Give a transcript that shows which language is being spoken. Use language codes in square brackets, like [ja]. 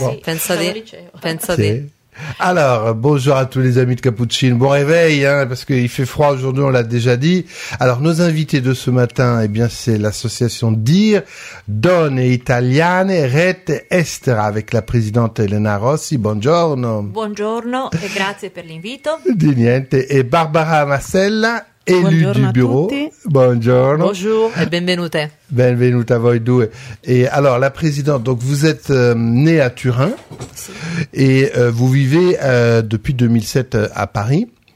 [it] Pensate. [fr] Alors, bonjour à tous les amis de Cappuccino. Bon réveil, hein, parce qu'il fait froid aujourd'hui, on l'a déjà dit. Alors, nos invités de ce matin, eh bien, c'est l'association DIR, Donne Italiane Rete Estera, avec la présidente Elena Rossi. [it] Buongiorno. Buongiorno e grazie per l'invito. Di niente. [fr] E Barbara Massella, élu du bureau. Bonjour à tutti. Bonjour et benvenute. [it] Benvenuta a voi due. [fr] Et alors, la présidente, donc vous êtes née à Turin. Et vous vivez depuis 2007 à Paris.